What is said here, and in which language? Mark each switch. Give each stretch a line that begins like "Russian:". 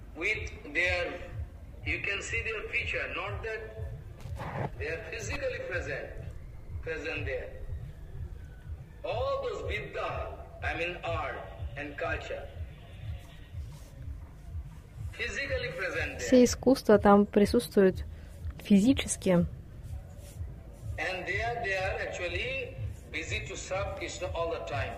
English: with their, you can see their feature, not that they are physically present there. All those vidya, art and culture, physically present there.
Russian: Все искусства там присутствуют физически.
English: And they are actually busy to serve Krishna all the time.